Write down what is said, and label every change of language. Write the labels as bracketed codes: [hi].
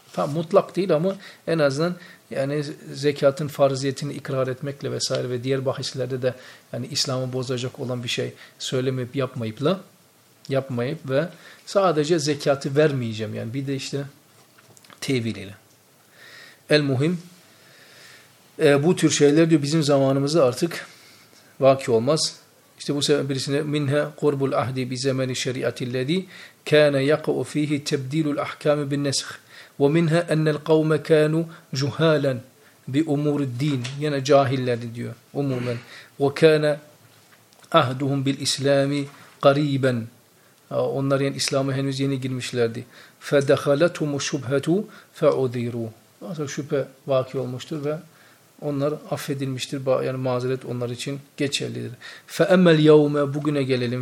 [tr] Tam mutlak değil ama en azından yani zekatın farziyetini ikrar etmekle vesaire ve diğer bahislerde de yani İslam'ı bozacak olan bir şey söylemeyip yapmayıp ve sadece zekatı vermeyeceğim yani bir de işte tevil ile. El muhim bu tür şeyler diyor bizim zamanımızda artık vaki olmaz. İşte bu sebeple birisine [ar] minha qurbul ahdi bi zamani şeriatil ladî كان يقع فيه تبديل الأحكام بالنسخ ومنها أن القوم كانوا جهالا بأمور الدين يعني جاهلا [tr] diyor [ar] عموما وكان أهدهم بالإسلام قريبا [tr] onlar yani İslam'a henüz yeni girmişlerdi [ar] فدخلتهم الشبهة فعذروا [tr] şüphe vaki olmuştur ve onlar affedilmiştir. Yani mazeret onlar için geçerlidir. [ar] فَاَمَّ الْيَوْمَ [tr] Bugüne gelelim.